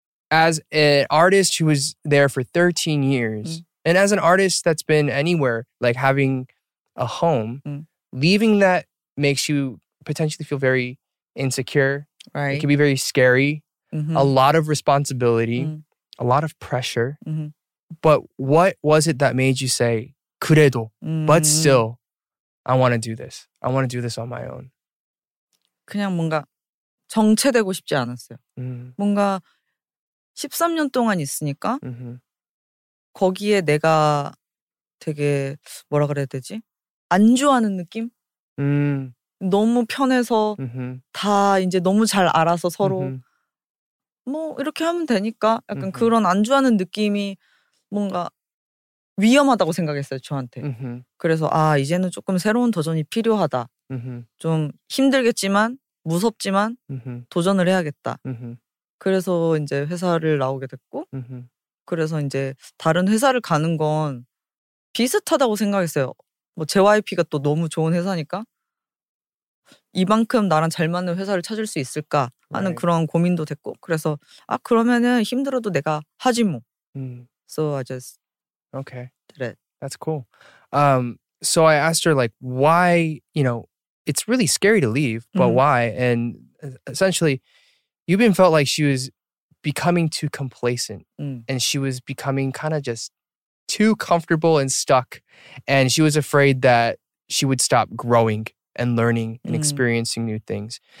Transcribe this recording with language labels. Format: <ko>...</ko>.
<en>As an artist who was there for 13 years and as an artist that's been anywhere, like having a home, leaving that makes you potentially feel very insecure, right? It can be very scary. A lot of responsibility, a lot of pressure. But what was it that made you say,</en> <ko>그래도,</ko> <en>but still, I want to do this. I want to do this on my own.</en> <ko>그냥 뭔가 정체되고 싶지 않았어요. 뭔가 13년 동안 있으니까 거기에 내가 되게 뭐라 그래야 되지? 안주하는 느낌? 너무 편해서 다 이제 너무 잘 알아서 서로 뭐 이렇게 하면 되니까 약간 mm-hmm. 그런 안주하는 느낌이 뭔가 위험하다고 생각했어요 저한테. Mm-hmm. 그래서 아 이제는 조금 새로운 도전이 필요하다. Mm-hmm. 좀 힘들겠지만 무섭지만 mm-hmm. 도전을 해야겠다. Mm-hmm. 그래서 이제 회사를 나오게 됐고 mm-hmm. 그래서 이제 다른 회사를 가는 건 비슷하다고 생각했어요. 뭐 JYP가 또 너무 좋은 회사니까 이만큼 나랑 잘 맞는 회사를 찾을 수 있을까 하는</ko> <en>right.</en> <ko>그런 고민도 됐고 그래서 아 그러면은 힘들어도 내가 하지 뭐.</ko> <en>So I just okay. did it. That's cool. So I asked her like why, you know, it's really scary to leave, but mm-hmm. why? And essentially Yubin felt like she was becoming too complacent mm. and she was becoming kind of just too comfortable and stuck and she was afraid that she would stop growing and learning and experiencing new things.</en>